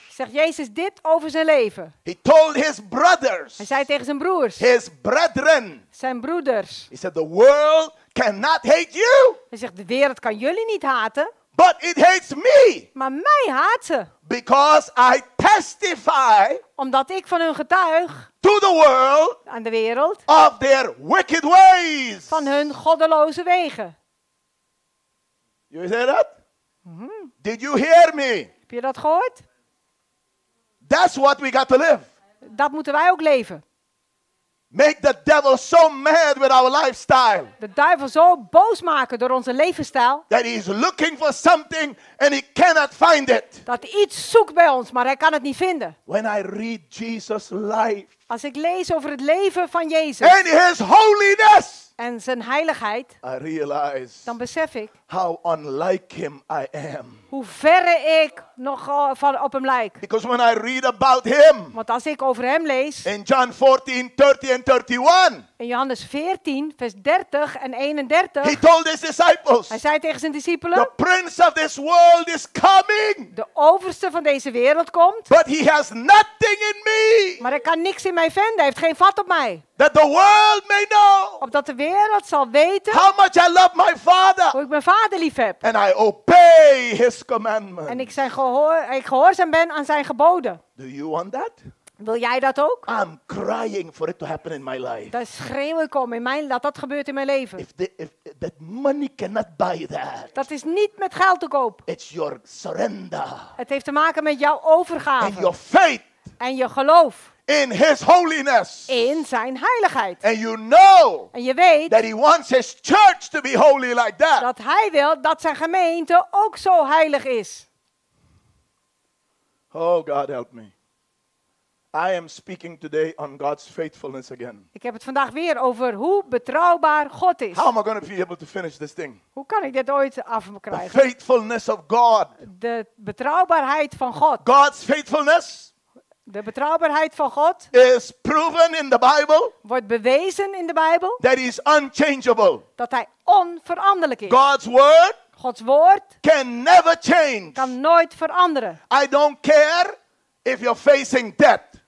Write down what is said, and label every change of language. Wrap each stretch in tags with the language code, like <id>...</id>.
<nl>Zegt Jezus dit over zijn leven.</nl> <en>He told his brothers.</en> <nl>Hij zei tegen zijn broers.</nl> <en>His brethren.</en> <nl>Zijn broeders.</nl> <en>He said the world cannot hate you.</en> <nl>Hij zegt de wereld kan jullie niet haten.</nl> <en>But it hates me.</en> <nl>Maar mij haat ze.</nl> <en>Because I testify.</en> <nl>Omdat ik van hun getuig.</nl> <en>To the world.</en> <nl>Aan de wereld.</nl> <en>Of their wicked ways.</en> <nl>Van hun goddeloze wegen.</nl> <en>You hear that? Mm-hmm. Did you hear me?</en> <nl>Heb je dat gehoord?</nl> <en>That's what we got to live.</en> <nl>Dat moeten wij ook leven.</nl> <en>Make the devil so mad with our lifestyle.</en> <nl>De duivel zo boos maken door onze levensstijl.</nl> <en>That he is looking for something and he cannot find it.</en> <nl>Dat hij iets zoekt bij ons, maar hij kan het niet vinden.</nl> <en>When I read Jesus' life.</en> <nl>Als ik lees over het leven van Jezus.</nl> <en>And his holiness.</en> <nl>En zijn heiligheid.</nl> <en>I realize.</en> <nl>Dan besef ik.</nl> <en>How unlike him I am.</en> <nl>Hoe verre ik nog van op hem lijk.</nl> <en>Because when I read about him.</en> <nl>Want als ik over hem lees.</nl> <en>In John 14, 30 and 31.</en> <nl>In Johannes 14, vers 30 en 31.</nl> <en>He told his disciples.</en> <nl>Hij zei tegen zijn discipelen.</nl> <en>The prince of this world is coming.</en> <nl>De overste van deze wereld komt.</nl> <en>But he has nothing in me.</en> <nl>Maar hij kan niks in mij vinden. Hij heeft geen vat op mij.</nl> <en>That the world may know.</en> <nl>Opdat de wereld zal weten.</nl> <en>How much I love my father.</en> <nl>Hoe ik mijn vader lief heb.</nl> <en>And I obey his commandments.</en> <nl>En ik gehoorzaam ben aan zijn geboden.</nl> <en>Do you want that?</en> <nl>Wil jij dat ook?</nl> <en>I'm crying for it to happen in my life.</en> <nl>Daar schreeuw ik om in mijn, dat dat gebeurt in mijn leven.</nl> <en>If that money cannot buy that.</en> <nl>Dat is niet met geld te koop.</nl> <en>It's your surrender.</en> <nl>Het heeft te maken met jouw overgave.</nl> <en>And your faith.</en> <nl>En je geloof.</nl> <en>In his holiness.</en> <nl>In zijn heiligheid.</nl> <en>And you know.</en> <nl>En je weet.</nl> <en>That he wants his church to be holy like that.</en> <nl>Dat hij wil dat zijn gemeente ook zo heilig is.</nl> <en>Oh God help me. I am speaking today on God's faithfulness again.</en> <nl>Ik heb het vandaag weer over hoe betrouwbaar God is.</nl> <en>How am I going to be able to finish this thing?</en> <nl>Hoe kan ik dit ooit af me krijgen?</nl> <en>The faithfulness of God.</en> <nl>De betrouwbaarheid van God.</nl> <en>God's faithfulness.</en> <nl>De betrouwbaarheid van God.</nl> <en>Is proven in the Bible.</en> <nl>Wordt bewezen in de Bijbel.</nl> <en>That is unchangeable.</en> <nl>Dat hij onveranderlijk is.</nl> <en>God's word.</en> <nl>Gods woord.</nl> <en>Can never change.</en> <nl>Kan nooit veranderen.</nl> <en>I don't care if you're facing death.</en>